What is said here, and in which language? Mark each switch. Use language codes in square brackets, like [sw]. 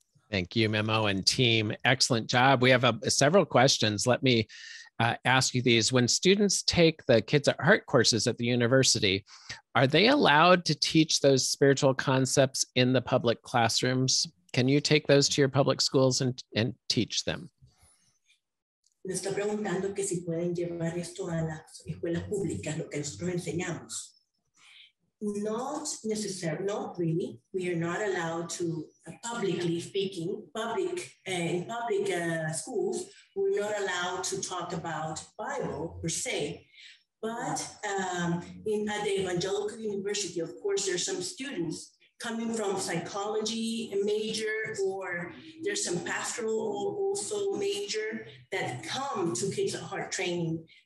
[en] Thank you, Memo and team. Excellent job. We have several questions. Let me ask you these. When students take the Kids at Heart courses at the university, are they allowed to teach those spiritual concepts in the public classrooms? Can you take those to your public schools and teach them? [es] Nos está preguntando que si pueden llevar esto a las escuelas públicas, lo que nosotros enseñamos. [en] Not necessarily, not really. We are not allowed to, publicly speaking, public, in public schools, we're not allowed to talk about Bible per se. But at the Evangelical University, of course, there's some students coming from psychology major, or there's some pastoral also major that come to Kids at Heart training.